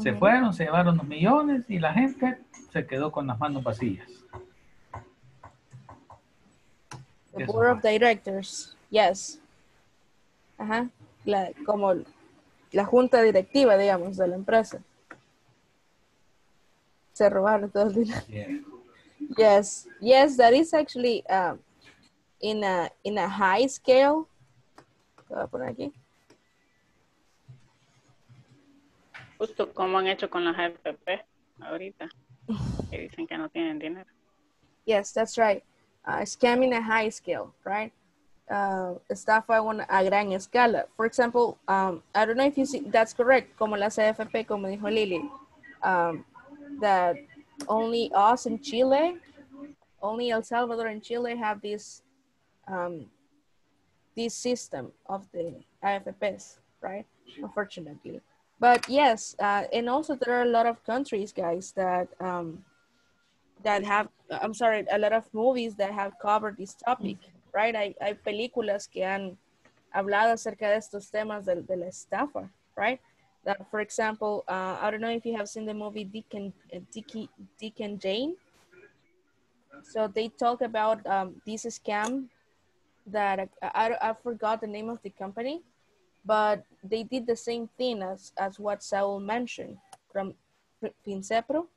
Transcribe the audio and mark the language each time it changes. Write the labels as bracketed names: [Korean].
[Spanish] Se fueron, se llevaron los millones y la gente se quedó con las manos vacías. [English] The board of directors, yes. [Spanish] Ajá, como la junta directiva, digamos, de la empresa. Se robaron todo el dinero. [English] Yes, yes, that is actually in a high scale. [Spanish] ¿Lo voy a poner aquí? Justo como han hecho con las AFP ahorita, que dicen que no tienen dinero. [English] Yes, that's right. Scamming a high scale, right? [Spanish] Estafa a gran escala. [English] For example, I don't know if you see, that's correct, [Spanish] como la CFP, como dijo Lily, [English] that only us in Chile, only El Salvador and Chile have this this system of the AFPs, right? Unfortunately. But yes, and also there are a lot of countries, guys, that have a lot of movies that have covered this topic. Right, [Spanish] hay películas que han hablado acerca de estos temas de la estafa, right? [English] That, for example, I don't know if you have seen the movie Dick and Jane. So they talk about this scam that I forgot the name of the company, but they did the same thing as what Saul mentioned from Pincepro.